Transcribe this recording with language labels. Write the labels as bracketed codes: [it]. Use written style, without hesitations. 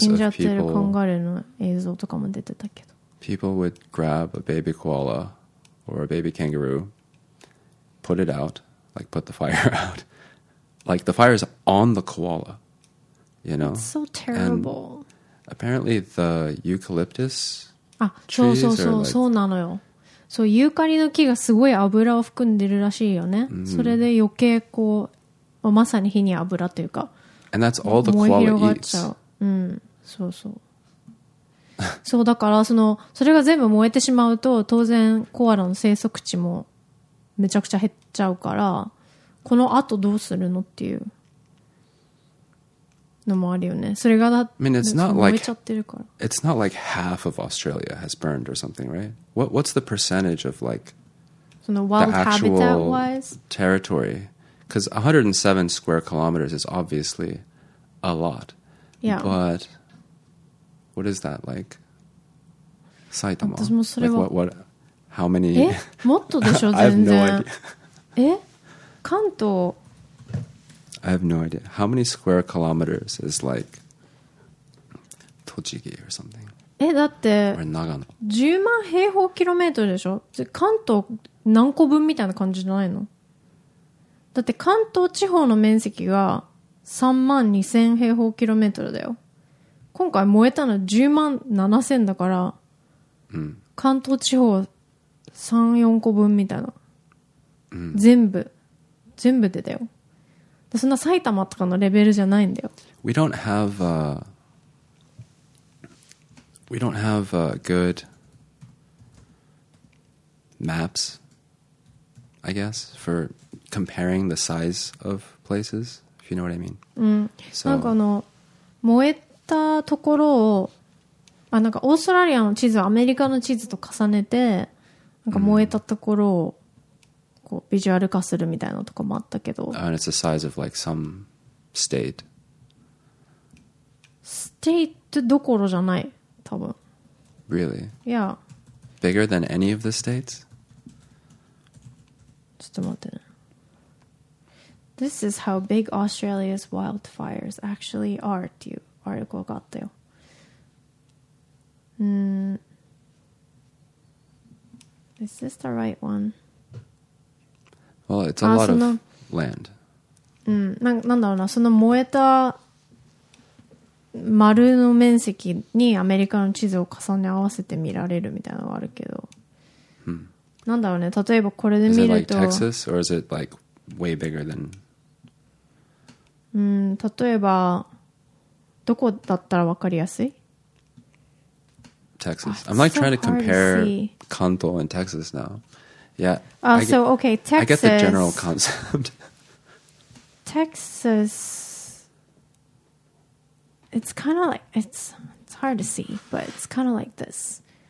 [ja] 死んじゃってるカンガルーの映像とかも出てたけど。 [en] People would grab a baby koala or a baby kangaroo, put it out, like put the fire out. Like the fire is on the koala, you know? It's so terrible. And apparently the eucalyptus trees are like... [ja] そうなのよ。そう、ユーカリの木がすごい油を含んでるらしいよね。 Mm-hmm. それで余計こう、まさに火に油というか。 [en] And that's all the koala eats. [ja] うん、そうそう。そうだから それが全部燃えてしまうと当然コアラの生息地もめちゃくちゃ減っちゃうからこの後どうするのっていうのもあるよねそれがだ [en] I mean, [ja] っ燃えちゃってるから [en] like, It's not like half of Australia has burned or something, right? What's the percentage of like その wild the actual habitat-wise? Territory? Because 107 square kilometers is obviously a lot Yeah butWhat is that like? Saitama. I'm not sure. What? How many? [ja] え、もっとでしょ、全然。 [en] I have no idea. [ja] え、関東。 [en] I have no idea. How many square kilometers is like Tochigi or something? [ja] え、だって。 [en] Or Nagano. [ja] 10万平方キロメートルでしょ。関東何個分みたいな感じじゃないの？だって関東地方の面積が3万2000平方キロメートルだよ。今回燃えたの10万7000だから、うん、関東地方3、4個分みたいな、うん、全部でだよそんな埼玉とかのレベルじゃないんだよ [en] We don't have a We don't have a good maps I guess for comparing the size of places if you know what I mean、 [ja] うん、so, なんかあの燃えたところをあなんかオーストラリアの地図はアメリカの地図と重ねてなんか燃えたところをこうビジュアル化するみたいなとかもあったけど、 mm. [en] And it's the size of like some state [ja] State どころじゃない多分 [en] Really? Yeah Bigger than any of the states? [ja] ちょっと待ってね [en] This is how big Australia's wildfires actually are to you [ja] あれ怖かったよ。うん。 [en] Is this the right one? Well, it's a lot of land. [ja] うん、なんだろうな、その燃えた丸の面積にアメリカの地図を重ね合わせて見られるみたいなのがあるけど。 Hmm. なんだろうね、例えばこれで見ると。 [en] Is it like Texas or is it like way bigger than? [ja] うん、例えば。どこだったら分かりやすい [en] Texas. I'm like trying to compare Kanto and Texas now. Yeah. Oh, so okay, Texas. I get the general concept. Texas. It's kind of like, it's hard to see, but it's kind of like this.